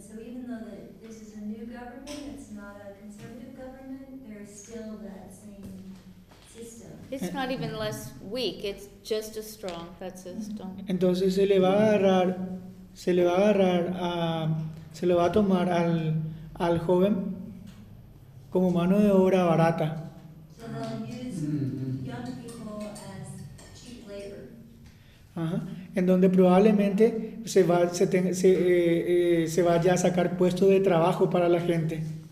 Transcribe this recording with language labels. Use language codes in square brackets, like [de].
[en] So even though this is a new government, it's not a conservative government, there's still that same system. It's not even less weak, it's just as strong, that system. [es] Entonces se le va a tomar al joven como mano de obra barata. [en] So they'll use young people as cheap labor. Uh-huh. [es] En donde probablemente se vaya a sacar puestos de trabajo para la gente.